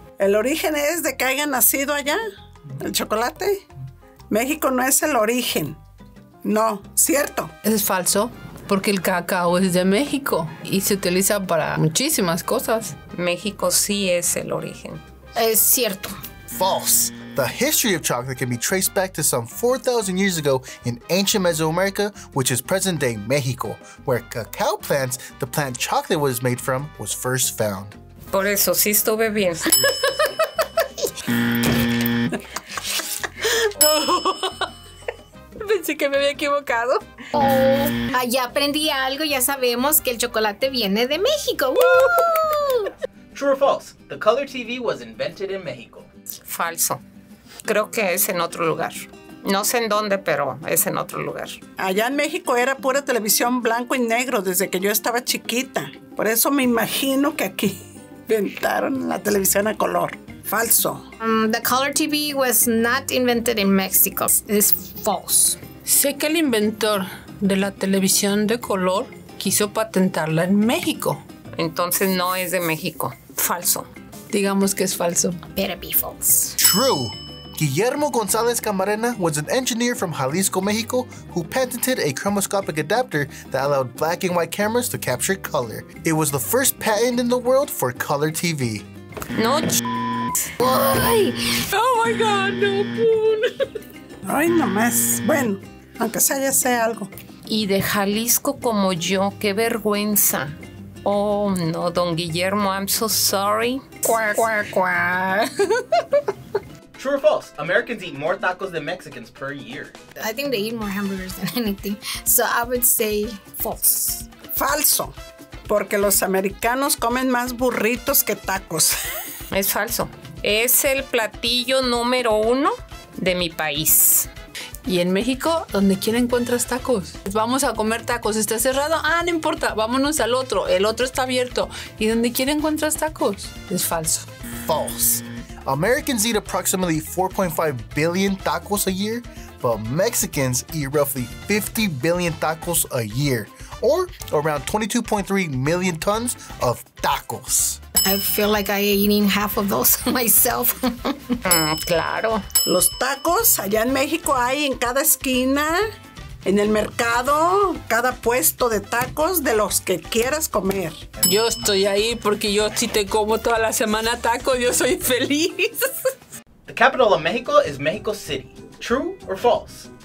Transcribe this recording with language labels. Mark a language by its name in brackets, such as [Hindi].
[Spanish] El origen es de que haya nacido allá, el chocolate. México no es el origen. No, cierto. Es falso. Porque el cacao es de México y se utiliza para muchísimas cosas. México sí es el origen. Es cierto. [English] False. The history of chocolate can be traced back to some 4,000 years ago in ancient Mesoamerica, which is present-day México, where cacao plants, the plant chocolate was made from, was first found. [Spanish] Por eso sí estuve bien. Pensé que me había equivocado. Oh. Ah, ya aprendí algo, ya sabemos que el chocolate viene de México. ¡Woo! [English] True or false? The color TV was invented in Mexico. [Spanish] Falso. Creo que es en otro lugar. No sé en dónde, pero es en otro lugar. Allá en México era pura televisión blanco y negro desde que yo estaba chiquita. Por eso me imagino que aquí inventaron la televisión a color. Falso. [English] The color TV was not invented in Mexico. It's false. [Spanish] Sé que el inventor de la televisión de color quiso patentarla en México. Entonces no es de México. Falso. Digamos que es falso. [English] Better be false. True. Guillermo González Camarena was an engineer from Jalisco, Mexico, who patented a chromoscopic adapter that allowed black and white cameras to capture color. It was the first patent in the world for color TV. No ch. Why? Oh my God, no, Poon. [Spanish] Ay, nomás. Bueno, aunque sea, ya sé algo. Y de Jalisco como yo, qué vergüenza. [English] Oh, no, don Guillermo, I'm so sorry. Quack, quack, quack. True or false? Americans eat more tacos than Mexicans per year. I think they eat more hamburgers than anything. So I would say false. [Spanish] Falso. Porque los americanos comen más burritos que tacos. Es falso. Es el platillo número uno de mi país. Y en México, ¿dónde quién encuentras tacos? Vamos a comer tacos. ¿Está cerrado? Ah, no importa. Vámonos al otro. El otro está abierto. ¿Y dónde quién encuentras tacos? Es falso. [English] False. Americans eat approximately 4.5 billion tacos a year, but Mexicans eat roughly 50 billion tacos a year, or around 22.3 million tons of tacos. I feel like I'm eating half of those myself. [Spanish] Claro. Los tacos allá en México hay en cada esquina, en el mercado, cada puesto de tacos de los que quieras comer. Yo estoy ahí porque yo sí te como toda la semana tacos, yo soy feliz. [English] The capital of Mexico is Mexico City. True or false?